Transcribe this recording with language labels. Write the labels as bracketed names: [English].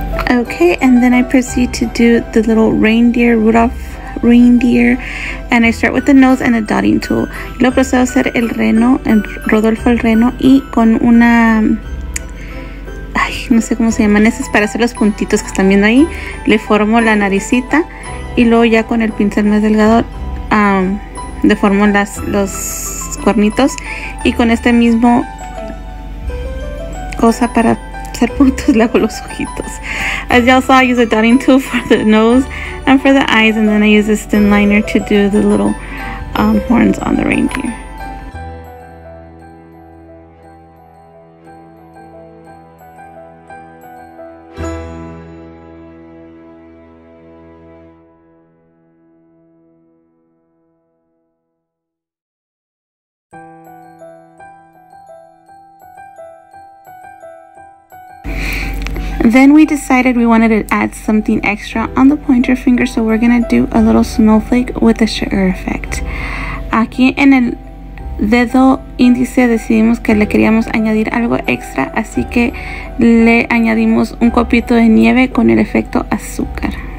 [English] Okay, and then I proceed to do the little reindeer, Rudolph reindeer, and I start with the nose and a dotting tool. [Spanish] Luego procedo a hacer el reno, el Rodolfo el reno, y con una, no sé cómo se llaman, esas para hacer los puntitos que están viendo ahí, le formo la naricita, y luego ya con el pincel más delgado, le formo los cuernitos, y con este mismo cosa para hacer puntos, le hago los ojitos. [English] As y'all saw, I use a dotting tool for the nose and for the eyes, and then I use a thin liner to do the little horns on the reindeer. Then we decided we wanted to add something extra on the pointer finger, so we're gonna do a little snowflake with the sugar effect. [Spanish] Aquí en el dedo índice decidimos que le queríamos añadir algo extra, así que le añadimos un copito de nieve con el efecto azúcar.